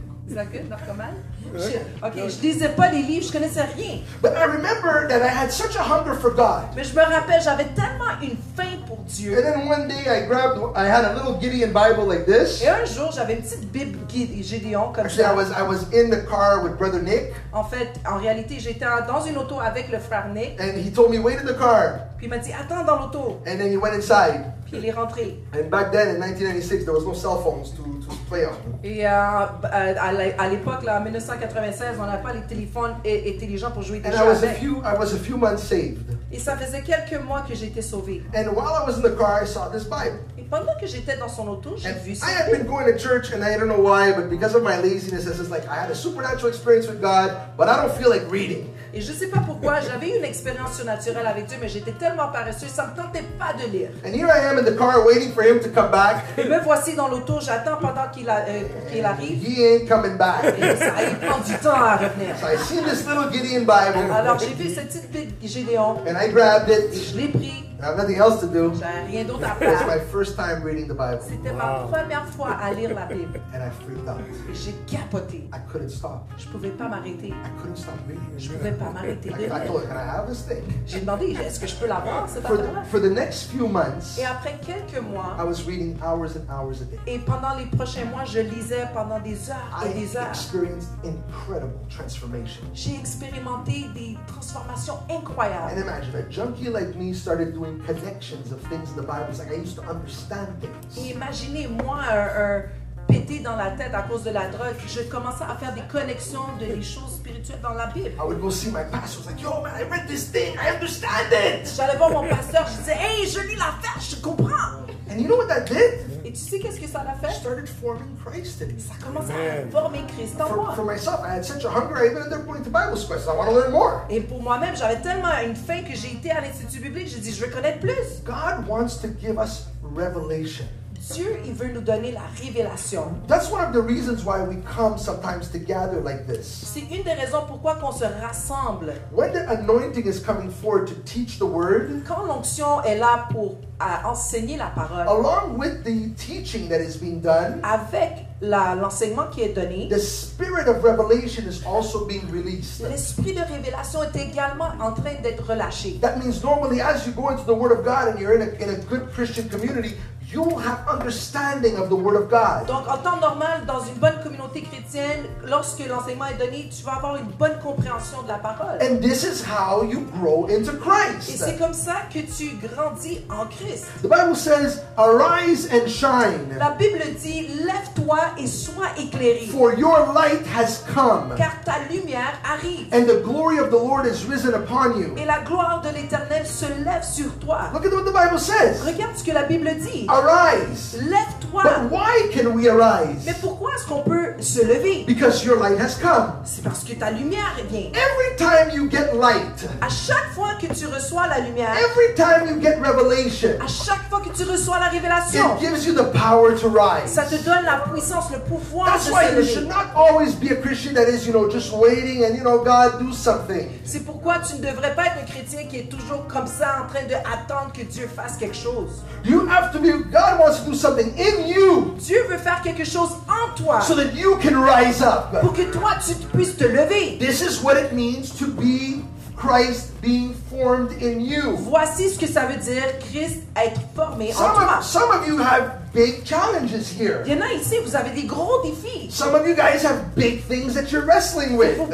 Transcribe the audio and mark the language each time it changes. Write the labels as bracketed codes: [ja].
[fr] Je lisais pas les livres, je connaissais rien. [en] But I remember that I had such a hunger for God. [fr] Mais je me rappelle, j'avais tellement une faim pour Dieu. [en] And then one day I had a little Gideon Bible like this. [fr] Et un jour, j'avais une petite Bible Gideon comme [en] actually, [fr] ça. [en] I was in the car with Brother Nick. [fr] En fait, en réalité, j'étais dans une auto avec le frère Nick. [en] And he told me, wait in the car. [fr] Puis il m'a dit, attends dans l'auto. [en] And then he went inside. [fr] Puis il est rentré. [en] And back then, in 1996, there was no cell phones to play on. [fr] Et à l'époque, là, en 1996, on n'avait pas les téléphones intelligents pour jouer des [en] and [fr] jeux [en] I was [fr] avec. [en] I was a few months saved. [fr] Et ça faisait quelques mois que j'étais sauvé. [en] And while I was in the car, I saw this Bible. [fr] Et pendant que j'étais dans son auto, j'ai vu ça. [en] I had been going to church and I don't know why, but because of my laziness, it's like I had a supernatural experience with God, but I don't feel like reading. [fr] Et je sais pas pourquoi, j'avais une expérience surnaturelle avec Dieu, mais j'étais tellement paresseux, ça me tentait pas de lire. [en] And here I am in the car waiting for him to come back. [fr] Et me voici dans l'auto, j'attends pendant qu'il a, pour qu'il arrive. [en] He ain't coming back. [fr] Et ça, il prend du temps à revenir. [en] So I seen this little Gideon Bible. [fr] Alors j'ai vu cette petite Bible Gédéon. [en] And I grabbed it. [fr] Et je l'ai pris. [en] I have nothing else to do. [fr] Rien d'autre à faire. [en] It's my first time reading the Bible. [fr] C'était ma première fois à lire la Bible. [en] And I freaked out. [fr] Et j'ai capoté. [en] I couldn't stop. [fr] Je pouvais pas m'arrêter. [en] I couldn't stop reading. [fr] Je pouvais pas m'arrêter. [en] I have a steak? [fr] J'ai demandé, est-ce que je peux l'avoir, cette [en] For the next few months. [fr] Et après quelques mois. [en] I was reading hours and hours a day. [fr] Et pendant les prochains mois, je lisais pendant des heures et des heures. [en] I experienced incredible transformation. [fr] J'ai expérimenté des transformations incroyables. [en] And imagine, a junkie like me started doing connections of things in the Bible. It's like I used to understand things. [fr] Et imaginez moi pété dans la tête à cause de la drogue, je commençais à faire des connexions de des choses spirituelles dans la Bible. [en] I would go see my pastor. I was like, yo man, I read this thing, I understand it. [fr] J'allais voir mon pasteur, je disais, hey, je lis l'affaire, je comprends. [en] And you know what that did? [fr] Et tu sais qu'est-ce que ça a fait? [en] It started forming Christ in me. [fr] Ça commence à former Christ en moi. [en] For myself, I had such a hunger, I ended up going to Bible school. So I want to learn more. [fr] Et pour moi-même, j'avais tellement une faim que j'ai été à l'Institut biblique, j'ai dit, je veux connaître plus. [en] God wants to give us revelation. [fr] Dieu, il veut nous donner la révélation. [en] That's one of the reasons why we come sometimes to gather like this. [fr] C'est une des raisons pourquoi qu'on se rassemble. [en] When the anointing is coming forward to teach the word, [fr] quand l'onction est là pour enseigner la parole, [en] along with the teaching that is being done, [fr] avec l'enseignement qui est donné, [en] the spirit of revelation is also being released. [fr] L'esprit de révélation est également en train d'être relâché. [en] That means normally as you go into the word of God and you're in a good Christian community, you will have understanding of the word of God. [fr] Donc en temps normal dans une bonne communauté chrétienne, lorsque l'enseignement est donné, tu vas avoir une bonne compréhension de la parole. [en] And this is how you grow into Christ. [fr] Et c'est comme ça que tu grandis en Christ. [en] The Bible says, "Arise and shine." [fr] La Bible dit, lève-toi et sois éclairé. [en] For your light has come. [fr] Car ta lumière arrive. [en] And the glory of the Lord is risen upon you. [fr] Et la gloire de l'Éternel se lève sur toi. [en] Look at what the Bible says. [fr] Regarde ce que la Bible dit. [en] Arise. [fr] Lève-toi. [en] But why can we arise? [fr] Mais pourquoi est-ce qu'on peut se lever? [en] Because your light has come. [fr] C'est parce que ta lumière vient. [en] Every time you get light. [fr] À chaque fois que tu reçois la lumière. [en] Every time you get revelation. [fr] À chaque fois que tu reçois la révélation. [en] It gives you the power to rise. [fr] Ça te donne la puissance, le pouvoir de se lever. [en] That's why you should not always be a Christian that is, you know, just waiting and you know God do something. [fr] C'est pourquoi tu ne devrais pas être un chrétien qui est toujours comme ça en train de attendre que Dieu fasse quelque chose. [en] You have to be God wants to do something in you. [fr] Dieu veut faire quelque chose en toi. [en] So that you can rise up. [fr] Pour que toi tu puisses te lever. [en] This is what it means to be Christ being formed in you. [fr] Voici ce que ça veut dire Christ être formé [en] some [fr] en toi. [en] Some of you have big challenges here. [fr] Il y en a ici, vous avez des gros défis. [en] Some of you guys have big things that you're wrestling with.